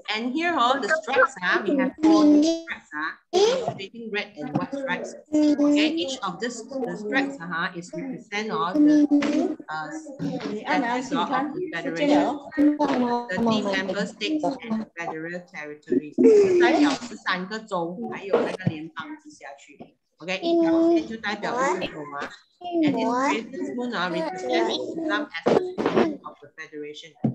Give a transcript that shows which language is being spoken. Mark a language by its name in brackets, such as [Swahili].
[English] And here, all the stripes, we have four stripes, stating red and white stripes. Okay, each of this the stripes, is represent all the members of the federation, the team member states and federal territories. [Chinese] 代表是三个州，还有那个联邦直辖区。 [English] Okay, and this crescent moon represents Islam as the symbol of the federation.